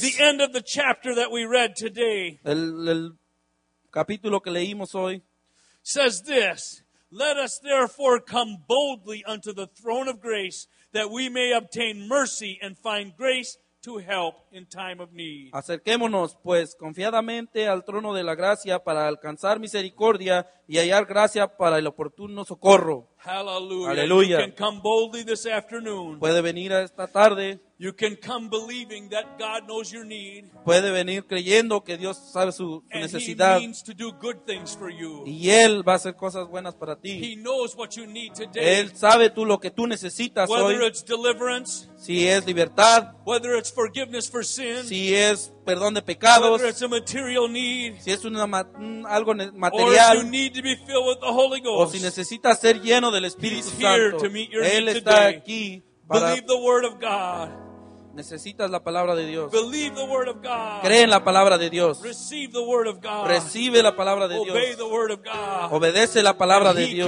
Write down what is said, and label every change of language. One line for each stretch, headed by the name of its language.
English: The end of the chapter that we read today.
Spanish: El capítulo que leímos hoy.
English: Says this: Let us therefore come boldly unto the throne of grace, that we may obtain mercy and find grace to help in time of need.
Spanish: Acerquémonos pues confiadamente al trono de la gracia para alcanzar misericordia y hallar gracia para el oportuno socorro.
English: Hallelujah. Hallelujah. You can come boldly this afternoon.
Spanish: Puede venir esta tarde.
English: You can come believing that God knows your need.
Spanish: Puede venir creyendo que Dios sabe su necesidad.
English: And he means to do good things for you.
Spanish: Y Él va a hacer cosas buenas para ti.
English: He knows what you need today.
Spanish: Él sabe tú lo que tú necesitas
English: whether
Spanish: hoy.
English: Whether it's deliverance.
Spanish: Si es libertad.
English: Whether it's forgiveness for sin.
Spanish: Si es perdón de pecados.
English: Whether it's a material need.
Spanish: Si es algo material.
English: Or if you need to be filled with the Holy Ghost.
Spanish: O si necesitas ser lleno del Espíritu
English: He's
Spanish: Santo.
English: Here to meet your
Spanish: Él
English: need
Spanish: está
English: today.
Spanish: Aquí.
English: Believe the word of God.
Spanish: Necesitas la palabra de Dios.
English: Believe the word of God.
Spanish: Cree en la palabra de Dios.
English: Receive the word of God.
Spanish: Recibe la palabra de Dios.
English: Obey the word of God.
Spanish: Obedece la palabra
English: And
Spanish: de Dios.